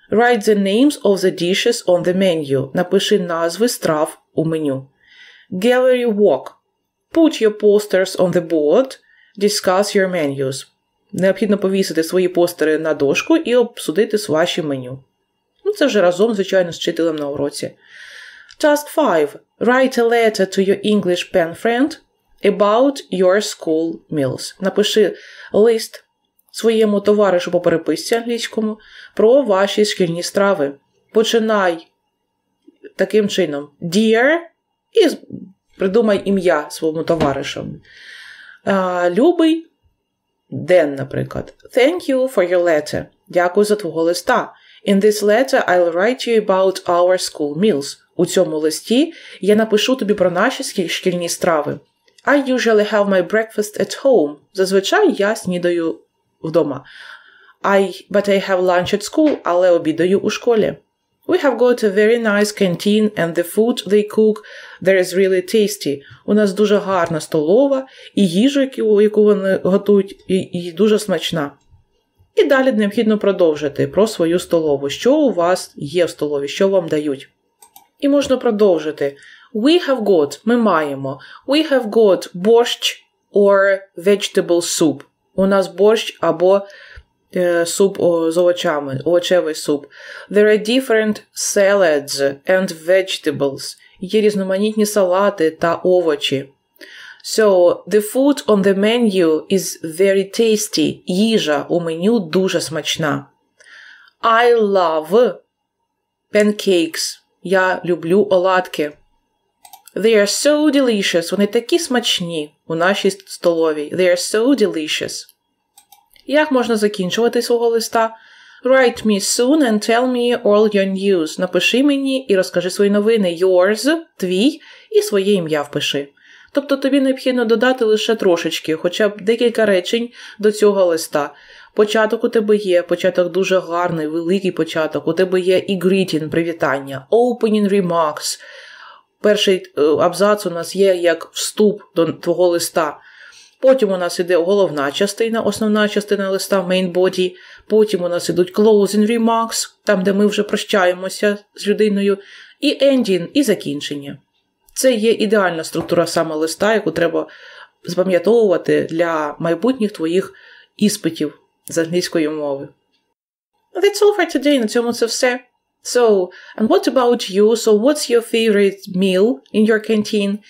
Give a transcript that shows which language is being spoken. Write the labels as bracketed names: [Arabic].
[English] Write the names of the dishes on the menu. [Ukrainian] Напиши назви страв у меню. [English] Gallery walk. Put your posters on the board. Discuss your menus. [Ukrainian] Необхідно повісити свої постери на дошку і обсудити ваші меню. Ну, це вже разом, звичайно, з вчителем на уроці. [English] Task 5. Write a letter to your English pen friend about your school meals. [Ukrainian] Напиши лист своєму товаришу по переписці англійському про ваші шкільні страви. Починай таким чином. Dear. І придумай ім'я своєму товаришу. Любий. Ден, наприклад. [English] Thank you for your letter. [Ukrainian] Дякую за твого листа. [English] In this letter I'll write you about our school meals. [Ukrainian] У цьому листі я напишу тобі про наші шкільні страви. [English] I usually have my breakfast at home. [Ukrainian] Зазвичай я снідаю вдома. [English] But I have lunch at school. [Ukrainian] Але обідаю у школі. [English] We have got a very nice canteen and the food they cook there is really tasty. [Ukrainian] У нас дуже гарна столова і їжа, яку вони готують, і дуже смачна. І далі необхідно продовжити про свою столову. Що у вас є в столові, що вам дають? І можна продовжити. [English] We have got, [Ukrainian] ми маємо. [English] We have got borscht or vegetable soup. [Ukrainian] У нас борщ або суп з овочами, овочевий суп. [English] There are different salads and vegetables. [Ukrainian] Є різноманітні салати та овочі. [English] So, the food on the menu is very tasty. [Ukrainian] Їжа у меню дуже смачна. [English] I love pancakes. [Ukrainian] Я люблю оладки. [English] They are so delicious. [Ukrainian] Вони такі смачні у нашій столовій. [English] They are so delicious. [Ukrainian] Як можна закінчувати свого листа? [English] Write me soon and tell me all your news. [Ukrainian] Напиши мені і розкажи свої новини. Yours, твій, і своє ім'я впиши. Тобто тобі необхідно додати лише трошечки, хоча б декілька речень до цього листа. Початок у тебе є, початок дуже гарний, великий початок. У тебе є і greeting, привітання, opening remarks. Перший абзац у нас є як вступ до твого листа. Потім у нас іде головна частина, основна частина листа, main body. Потім у нас ідуть closing remarks, там, де ми вже прощаємося з людиною. І ending, і закінчення. Це є ідеальна структура саме листа, яку треба запам'ятовувати для майбутніх твоїх іспитів з англійської мови. [English] That's all for today. [Ukrainian] На цьому це все. [English] So, and what about you? So, what's your favorite meal in your canteen?